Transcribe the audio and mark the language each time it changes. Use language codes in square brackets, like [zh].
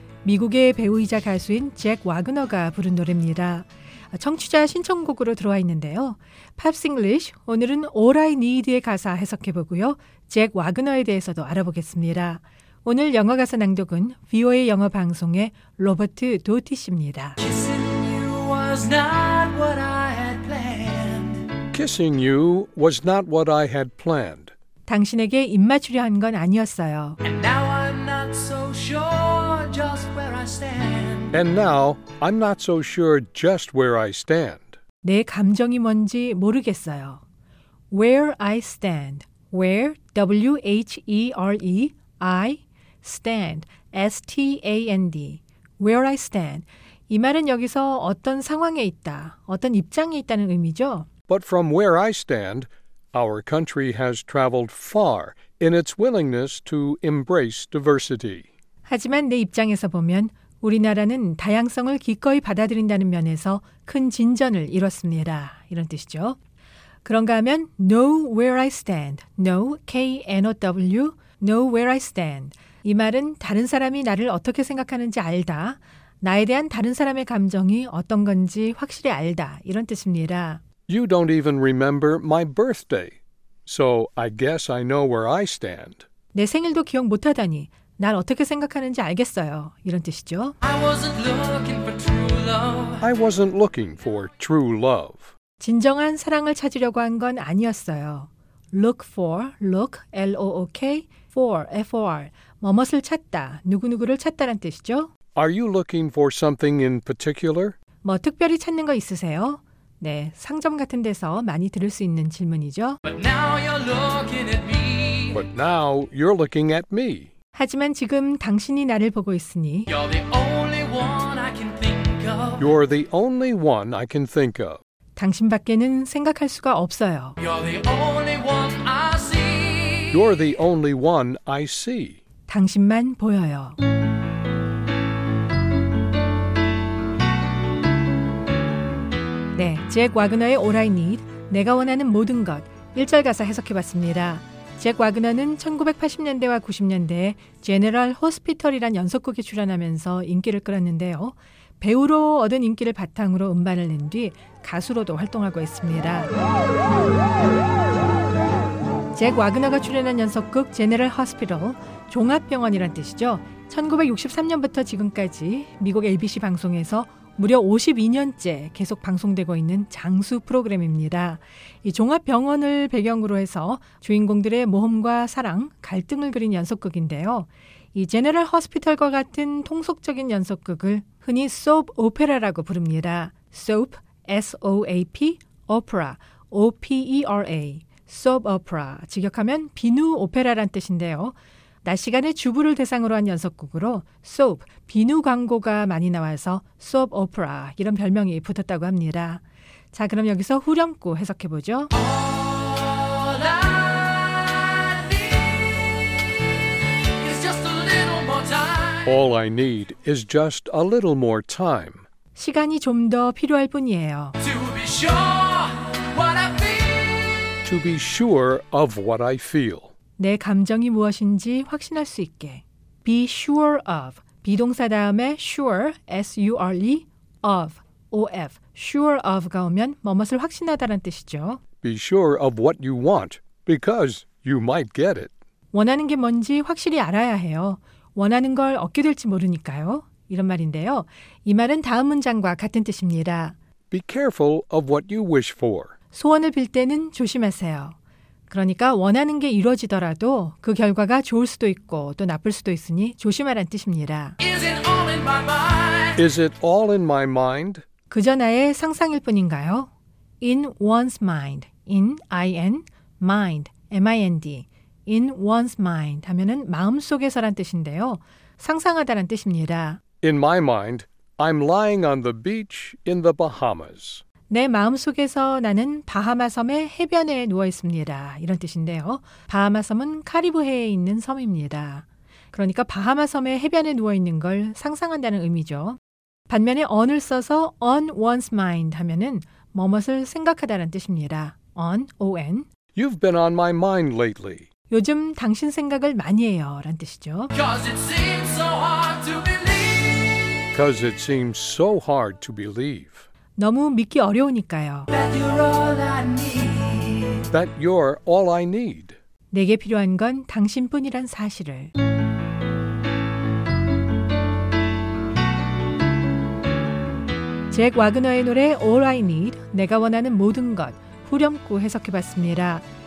[ko] 미국의 배우이자 가수인 잭 와그너가 부른 노래입니다. 청취자 신청곡으로 들어와 있는데요. Pops English, 오늘은 All I Need의 가사 해석해보고요. 잭 와그너에 대해서도 알아보겠습니다. 오늘 영어 가사 낭독은 VOA 영어 방송의 로버트 도티 씨입니다. [en] Kissing you was not what I had planned. Kissing you was not what I had planned. [ko] 당신에게 입 맞추려 한 건 아니었어요. [en] And now I'm not so sure just where I stand. And now I'm not so sure just where I stand. [ko] 내 감정이 뭔지 모르겠어요. [en] Where I stand. Where, W-H-E-R-E, I, stand, S-T-A-N-D. Where I stand. [ko] 이 말은 여기서 어떤 상황에 있다, 어떤 입장에 있다는 의미죠. [en] But from where I stand, Our country has traveled far in its willingness to embrace diversity. [ko] 하지만 내 입장에서 보면 우리나라는 다양성을 기꺼이 받아들인다는 면에서 큰 진전을 이뤘습니다. 이런 뜻이죠. 그런가 하면 [en] know where I stand. Know, K-N-O-W, know where I stand. [ko] 이 말은 다른 사람이 나를 어떻게 생각하는지 알다. 나에 대한 다른 사람의 감정이 어떤 건지 확실히 알다. 이런 뜻입니다. [en] You don't even remember my birthday, so I guess I know where I stand. [ko] 내 생일도 기억 못하다니, 날 어떻게 생각하는지 알겠어요. 이런 뜻이죠. [en] I wasn't looking for true love. I wasn't looking for true love. [ko] 진정한 사랑을 찾으려고 한 건 아니었어요. [en] Look for, look, L-O-O-K, for, F-O-R, [ko] 뭐뭐를 찾다, 누구누구를 찾다란 뜻이죠. [en] Are you looking for something in particular? [ko] 뭐 특별히 찾는 거 있으세요? 네, 상점 같은 데서 많이 들을 수 있는 질문이죠. [en] But now you're looking at me. But now you're looking at me. [ko] 하지만 지금 당신이 나를 보고 있으니 [en] You're the only one I can think of. You're the only one I can think of. [ko] 당신밖에는 생각할 수가 없어요. [en] You're the only one I see. You're the only one I see. [ko] 당신만 보여요. Jack Wagner의 All I Need, 내가 원하는 모든 것, 1절 가사 해석해봤습니다. Jack Wagner는 1980년대와 90년대에 General Hospital이란 연속극에 출연하면서 인기를 끌었는데요. 배우로 얻은 인기를 바탕으로 음반을 낸 뒤 가수로도 활동하고 있습니다. Jack Wagner가 출연한 연속극 General Hospital, 종합병원이란 뜻이죠. 1963년부터 지금까지 미국 ABC 방송에서 무려 52년째 계속 방송되고 있는 장수 프로그램입니다. 이 종합병원을 배경으로 해서 주인공들의 모험과 사랑, 갈등을 그린 연속극인데요. 이 제네럴 호스피털과 같은 통속적인 연속극을 흔히 soap opera라고 부릅니다. soap, S-O-A-P, opera, O-P-E-R-A, soap opera, 직역하면 비누 오페라란 뜻인데요. 낮 시간에 주부를 대상으로 한 연속극으로 soap, 비누 광고가 많이 나와서 soap opera 이런 별명이 붙었다고 합니다. 자, 그럼 여기서 후렴구 해석해보죠. [en] All I need is just a little more time. All I need is just a little more time. [ko] 시간이 좀 더 필요할 뿐이에요. [en] To be sure what I feel. To be sure of what I feel. [ko] 내 감정이 무엇인지 확신할 수 있게. [en] Be sure of. [ko] 비동사 다음에 sure, S-U-R-E, of, O-F. Sure of가 오면 뭐뭐를 확신하다는 뜻이죠. [en] Be sure of what you want, because you might get it. [ko] 원하는 게 뭔지 확실히 알아야 해요. 원하는 걸 얻게 될지 모르니까요. 이런 말인데요. 이 말은 다음 문장과 같은 뜻입니다. [en] Be careful of what you wish for. [ko] 소원을 빌 때는 조심하세요. 그러니까 원하는 게 이루어지더라도 그 결과가 좋을 수도 있고 또 나쁠 수도 있으니 조심하란 뜻입니다. [en] Is it all in my mind? Is it all in my mind? [ko] 그저 나의 상상일 뿐인가요? [en] In one's mind. In, I-N, mind, M-I-N-D. [ko] In one's mind 하면은 마음속에서란 뜻인데요. 상상하다란 뜻입니다. [en] In my mind, I'm lying on the beach in the Bahamas. [ko] 내 마음속에서 나는 바하마 섬의 해변에 누워 있습니다. 이런 뜻인데요. 바하마 섬은 카리브해에 있는 섬입니다. 그러니까 바하마 섬의 해변에 누워 있는 걸 상상한다는 의미죠. 반면에 on을 써서 on one's mind 하면은 뭐뭇을 생각하다란 뜻입니다. [en] On, O-N. You've been on my mind lately. [ko] 요즘 당신 생각을 많이 해요란 뜻이죠. [en] 'Cause it seems so hard to believe. 'Cause it seems so hard to believe. [ko] 너무 믿기 어려우니까요. [en] That you're all I need. That you're all I need. [ko] 내게 필요한 건 당신뿐이란 사실을. Jack Wagner의 노래 All I Need, 내가 원하는 모든 것, 후렴구 해석해봤습니다.